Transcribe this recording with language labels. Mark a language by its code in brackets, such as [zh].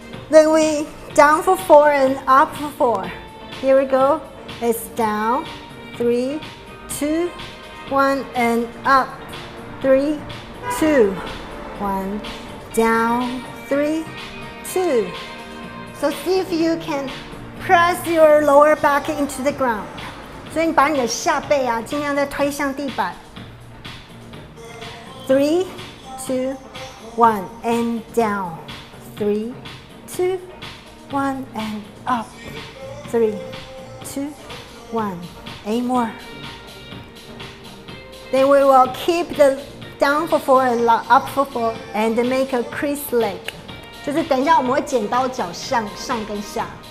[en] Then we down for four and up for four. Here we go. It's down, three, two, one, and up, three, two, one, down, three, two. So see if you can. Press your lower back into the ground. [zh] 所以你把你的下背啊，尽量再推向地板。 [en] Three, two, one, and down. Three, two, one, and up. Three, two, one. Eight more. Then we will keep the down for four and up for four, and make a crease leg. [zh] 就是等一下我们会剪刀脚上跟下。